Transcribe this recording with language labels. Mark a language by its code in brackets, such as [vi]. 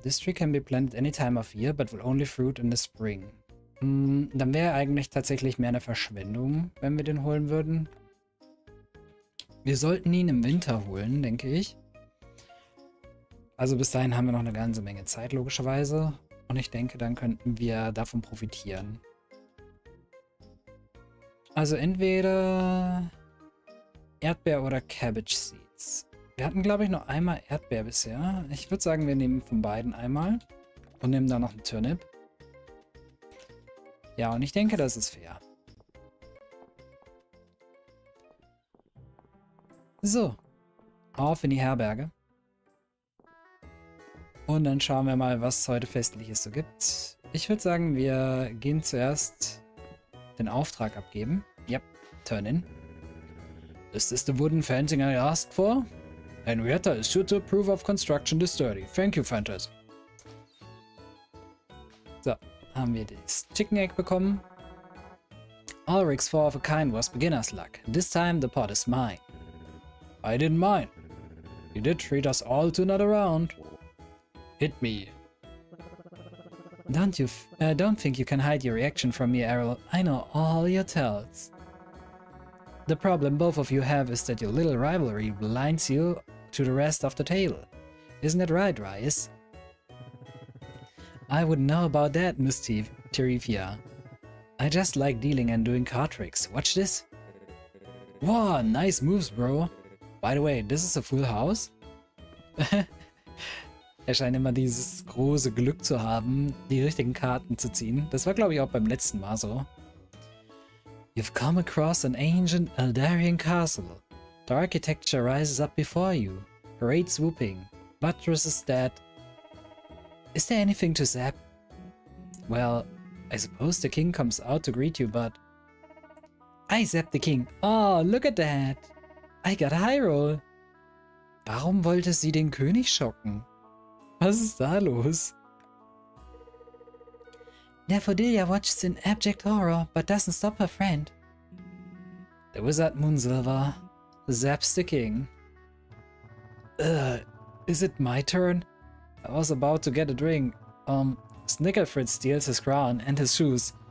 [en] This tree can be planted any time of year, but will only fruit in the spring. [de] Dann wäre eigentlich tatsächlich mehr eine Verschwendung, wenn wir den holen würden. Wir sollten ihn im Winter holen, denke ich. Also bis dahin haben wir noch eine ganze Menge Zeit, logischerweise. Und ich denke, dann könnten wir davon profitieren. Also entweder Erdbeer oder Cabbage Seeds. Wir hatten, glaube ich, nur einmal Erdbeer bisher. Ich würde sagen, wir nehmen von beiden einmal und nehmen dann noch einen Turnip. Ja, und ich denke, das ist fair. So, auf in die Herberge. Und dann schauen wir mal, was es heute Festliches so gibt. Ich würde sagen, wir gehen zuerst den Auftrag abgeben. [en] Yep, turn in. Is this the wooden fencing I asked for? Henrietta is sure to approve of construction this sturdy. Thank you, Fantas. [de] So, haben wir das Chicken Egg bekommen. [en] Ulrich's four of a kind was beginner's luck. This time the pot is mine. I didn't mind. You did treat us all to another round. Hit me. Don't think you can hide your reaction from me, Errol. I know all your tells. The problem both of you have is that your little rivalry blinds you to the rest of the tale. Isn't that right, Rhys? I wouldn't know about that, Miss Tirifia. I just like dealing and doing card tricks. Watch this. Wow, nice moves, bro. By the way, this is a full house? [de] Er scheint immer dieses große Glück zu haben, die richtigen Karten zu ziehen. Das war, glaube ich, auch beim letzten Mal so. [en] You've come across an ancient Eldarian castle. The architecture rises up before you. Parade swooping. Buttresses that... Is there anything to zap? Well, I suppose the king comes out to greet you, but... I zap the king. Oh, look at that! I got a high roll. [de] Warum wollte sie den König schocken? Was ist da los? [en] Nefodilia watches in abject horror, but doesn't stop her friend. The wizard Moonsilver zaps the king. Is it my turn? I was about to get a drink. Snicklefritz steals his crown and his shoes.